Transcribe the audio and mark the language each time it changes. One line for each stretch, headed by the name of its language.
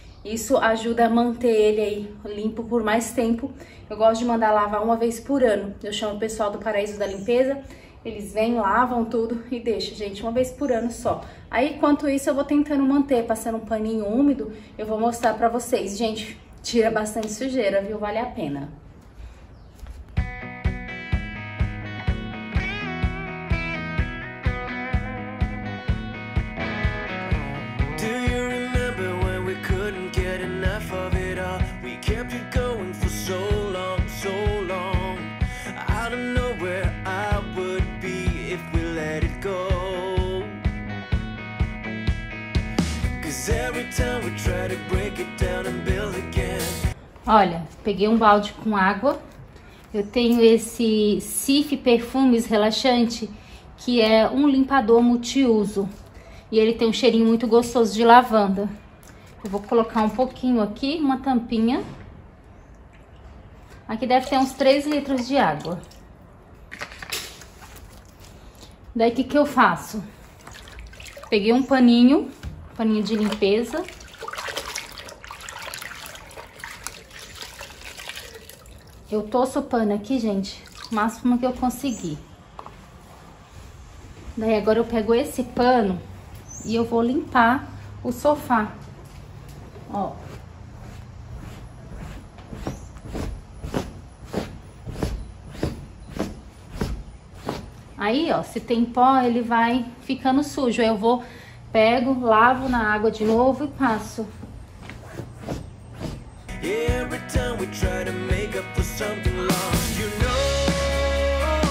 Portuguese: Isso ajuda a manter ele aí limpo por mais tempo. Eu gosto de mandar lavar uma vez por ano. Eu chamo o pessoal do Paraíso da Limpeza. Eles vêm, lavam tudo e deixam, gente, uma vez por ano só. Aí, enquanto isso, eu vou tentando manter, passando um paninho úmido. Eu vou mostrar pra vocês. Gente, tira bastante sujeira, viu? Vale a pena.
English: Do you remember when we couldn't get enough of it? kept you going for so long, so long. I don't know where I would be if we let it go. 'Cause every time we try to break it down and build again.
Portuguese: Olha, peguei um balde com água. Eu tenho esse Cif Perfumes Relaxante, que é um limpador multiuso. E ele tem um cheirinho muito gostoso de lavanda. Eu vou colocar um pouquinho aqui, uma tampinha. Aqui deve ter uns 3 litros de água. Daí, o que que eu faço? Peguei um paninho, paninho de limpeza. Eu torço o pano aqui, gente, o máximo que eu conseguir. Daí, agora eu pego esse pano e eu vou limpar o sofá. Ó. Aí, ó, se tem pó, ele vai ficando sujo. Eu vou, pego, lavo na água de novo e passo.
English: Every time we try to make up for something lost, you know.